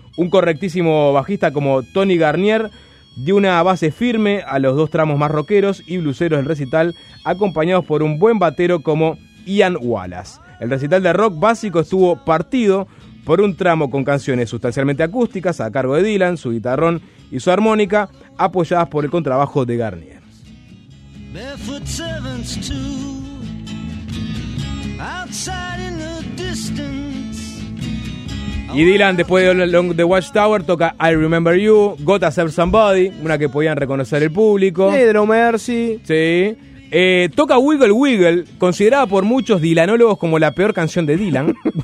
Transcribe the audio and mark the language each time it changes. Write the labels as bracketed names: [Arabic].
[Spanish] Un correctísimo bajista como Tony Garnier dio una base firme a los dos tramos más rockeros y blueseros del recital, acompañados por un buen batero como Ian Wallace. El recital de rock básico estuvo partido por un tramo con canciones sustancialmente acústicas a cargo de Dylan, su guitarrón y su armónica, apoyadas por el contrabajo de Garnier. [English] Barefoot servants too, outside in the distance. [Spanish] Y Dylan, después de Along the Watchtower, toca I Remember You, Gotta Serve Somebody, una que podían reconocer el público. Pedro Mercy. Sí. Toca Wiggle Wiggle, considerada por muchos dylanólogos como la peor canción de Dylan.